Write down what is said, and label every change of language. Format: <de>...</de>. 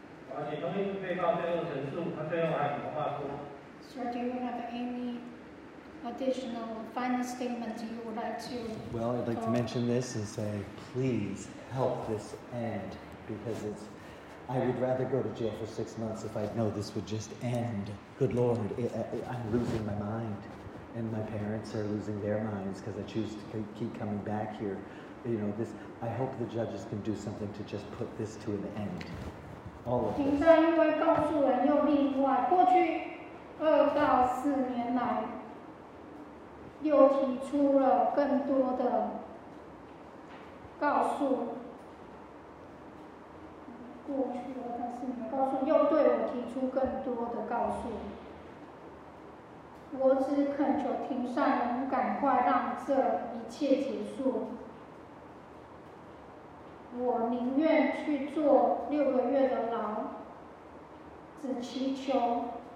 <zh>而且，关于被告被告陈述，他最后还有什么话说？</zh> <en>Sir, do you have any additional final statements you would like to? Well, I'd like to mention this and say, please help this end, because it's. I would rather go to jail for 6 months if I'd know this would just end. Good Lord, I'm losing my mind, and my parents are losing their minds because I choose to keep coming back here. You know this. I hope the judges can do something to just put this to an end. All of this.</en> <zh>二到四年来，又提出了更多的告诉。过去的二四年告诉，又对我提出更多的告诉。我只恳求庭上能赶快让这一切结束。我宁愿去坐6个月的牢，只祈求。</zh>